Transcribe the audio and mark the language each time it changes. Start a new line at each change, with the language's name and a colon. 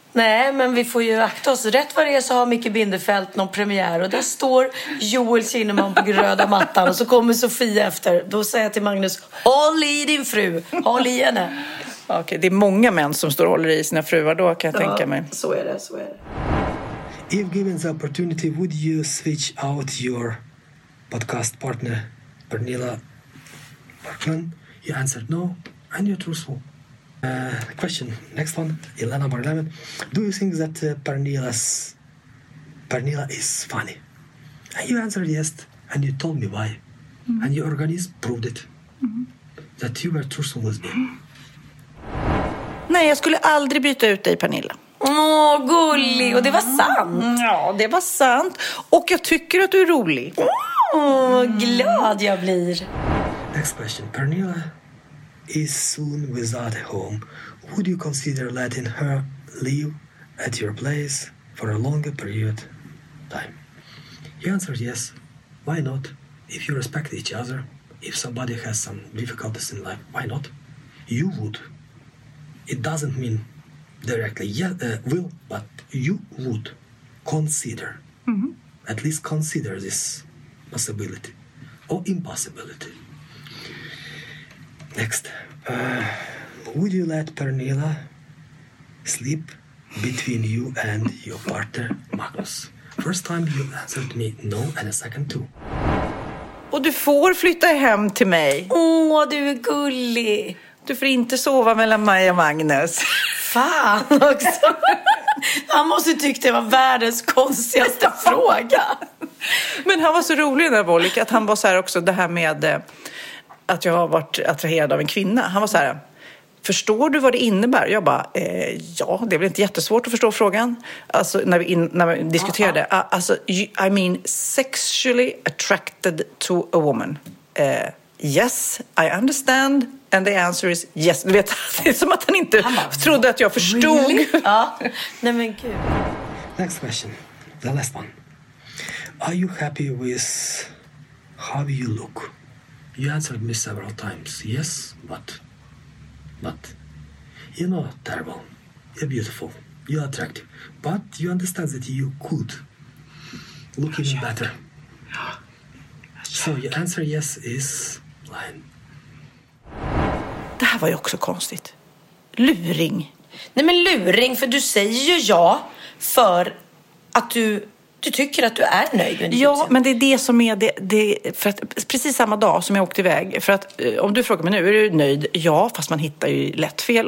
Swedish: Nej, men vi får ju akta oss. Rätt vad det är så har Micke Bindefeld någon premiär och där står Joel Kinnaman på röda mattan och så kommer Sofia efter. Då säger jag till Magnus, håll i din fru, håll i henne. Okej, det är många män som står och håller i sina fruar då, kan jag tänka mig. Så är det.
English: If given the opportunity, would you switch out your podcast partner Pernilla Parkman? You answered no, and you're truthful. Question, next one, Elena number 11. Do you think that Pernilla is funny? And you answered yes, and you told me why. Mm-hmm. And your organism proved it. Mm-hmm. That you were truthful with me.
Swedish: Nej, jag skulle aldrig byta ut dig, Pernilla. Åh, gullig, och det var sant. Ja, det var sant. Och jag tycker att du är rolig. glad jag blir.
English: Next question. Pernilla is soon without a home. Would you consider letting her live at your place for a longer period of time? You answered yes. Why not? If you respect each other, if somebody has some difficulties in life, why not? You would. It doesn't mean directly will, but you would consider. Mm-hmm. At least consider this possibility or impossibility. Next. Would you let Pernilla sleep between you and your partner, Magnus? First time you answered me no, and a second too.
Swedish: Och du får flytta hem till mig. Åh, du är gullig. Du får inte sova mellan mig och Magnus. Fan också. Han måste tycka det var världens konstigaste fråga. Men han var så rolig när Bolik, att han var så här också, det här med att jag har varit attraherad av en kvinna. Han var så här: förstår du vad det innebär? Jag bara, ja, det är väl inte jättesvårt att förstå frågan. Alltså, när vi diskuterade. Uh-huh. Alltså,
English: I mean, sexually attracted to a woman. Yes, I understand. And the answer is yes.
Swedish: Du vet, det är som att han inte trodde att jag förstod.
English: Really?
Swedish: Ja, nej men gud.
English: Next question, the last one. Are you happy with how you look? You answered me several times, yes, but you're not terrible, you're beautiful, you're attractive, but you understand that you could look even better. So your answer yes is lying.
Swedish: Det här var ju också konstigt. Luring. Nej men luring, för du säger ju ja för att du tycker att du är nöjd. Ja, men det är det som är det för att, precis samma dag som jag åkte iväg. För att om du frågar mig nu, är du nöjd? Ja, fast man hittar ju lätt fel.